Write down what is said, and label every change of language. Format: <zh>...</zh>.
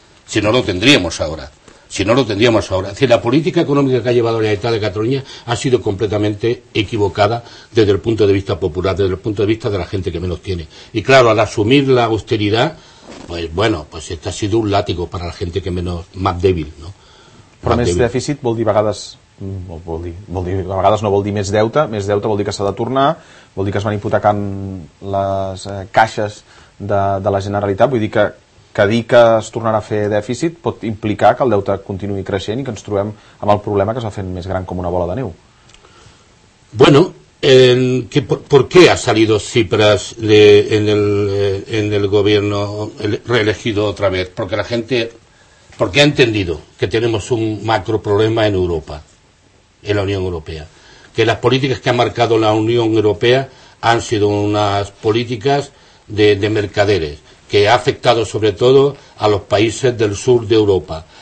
<es>Si no lo tendríamos ahora. Es decir, la política económica que ha llevado la Generalitat de Cataluña ha sido completamente equivocada desde el punto de vista popular, desde el punto de vista de la gente que menos tiene. Y claro, al asumir la austeridad, pues bueno, pues este ha sido un látigo para la gente que menos, más débil, ¿no?</es> <ca>Però més dèficit vol dir vegades, a vegades no vol dir més deute vol dir que s'ha de tornar, vol dir que es van hipotecant les caixes de la Generalitat, vull dir que que dir que es tornarà a fer dèficit pot implicar que el deute continuï creixent i que ens trobem amb el problema que s'ha fet més gran com una bola de neu.</ca> <es>Bueno, ¿por qué ha salido Tsipras en el gobierno reelegido otra vez? Porque la gente, porque ha entendido que tenemos un macro problema en Europa, en la Unión Europea. Que las políticas que ha marcado la Unión Europea han sido unas políticas de mercaderes, que ha afectado sobre todo a los países del sur de Europa.</es>